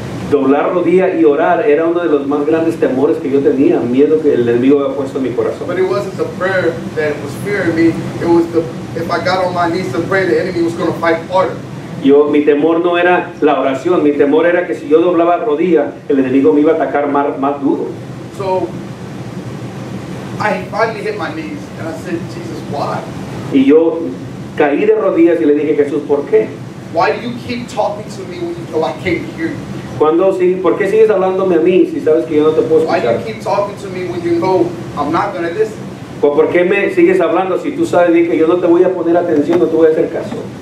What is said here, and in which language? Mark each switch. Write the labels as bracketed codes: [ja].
[es] Doblar rodilla y orar era uno de los más grandes temores que yo tenía, miedo que el enemigo había puesto en mi corazón. [en] But it wasn't the prayer that was fearing me. It was the, if I got on my knees to pray, the enemy was going to fight harder. [es] Yo, mi temor no era la oración, mi temor era que si yo doblaba rodilla, el enemigo me iba a atacar más duro. [en] So, I finally hit my knees and I said, Jesus, why? [es] Y yo caí de rodillas y le dije, Jesús, ¿por qué? [en] Why do you keep talking to me when you know I can't hear you? [es] ¿Cuándo, si, ¿por qué sigues hablándome a mí si sabes que yo no te puedo escuchar? [en] Why do you keep talking to me when you know I'm not going to listen? [es] ¿Por qué me sigues hablando si tú sabes bien que yo no te voy a poner atención, no te voy a hacer caso?